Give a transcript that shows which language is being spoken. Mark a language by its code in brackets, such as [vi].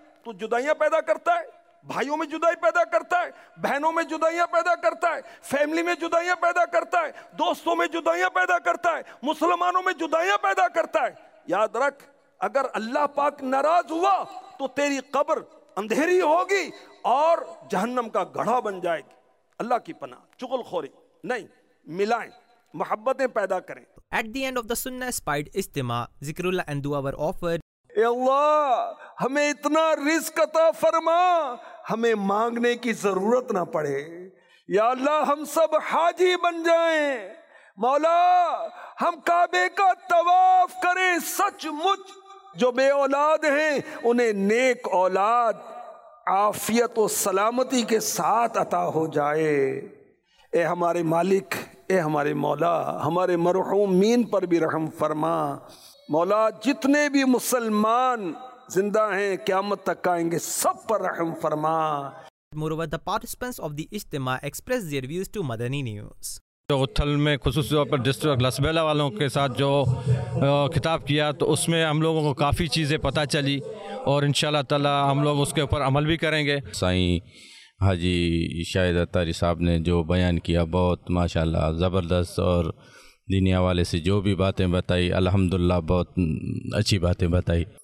[ur] تو جدائیاں پیدا کرتا ہے, بھائیوں میں جدائی پیدا کرتا ہے, بہنوں میں جدائیاں پیدا کرتا ہے, فیملی میں جدائیاں پیدا کرتا ہے, دوستوں میں جدائیاں پیدا کرتا ہے, مسلمانوں میں جدائیاں پیدا کرتا ہے. یاد رکھ, اگر اللہ پاک ناراض ہوا تو تیری قبر اندھیری ہوگی اور جہنم کا گڑھا بن جائے گی. اللہ کی پناہ, چغل خوری نہیں, ملائیں, محبتیں پیدا کریں. [en] At the end of the sunnah inspired istima, zikrullah and dua were offered. [ur] اے اللہ, ہمیں اتنا رزق عطا فرما ہمیں مانگنے کی ضرورت نہ پڑے. یا اللہ, ہم سب حاجی بن جائیں. مولا, ہم کعبے کا طواف کریں سچ مچ. جو بے اولاد ہیں انہیں نیک اولاد عافیت و سلامتی کے ساتھ عطا ہو جائے. اے ہمارے مالک, اے ہمارے مولا, ہمارے مرحوم مین پر بھی رحم فرما. مولا, جتنے بھی مسلمان زندہ ہیں قیامت تک آئیں گے, سب پر رحم فرما. [en] Moreover, the participants of the ijtima expressed their views to Madani News. [ur] جو اتھل میں خصوصی طور پر ڈسٹرکٹ لسبیلا والوں کے ساتھ جو خطاب کیا, تو اس میں ہم لوگوں کو کافی چیزیں پتہ چلی اور ان شاء اللہ تعالیٰ ہم لوگ اس کے اوپر عمل بھی کریں گے. سائیں حاجی شاہد اتاری صاحب نے جو بیان کیا, بہت ماشاءاللہ زبردست, اور دینی حوالے سے جو بھی باتیں بتائی الحمدللہ بہت اچھی باتیں بتائی.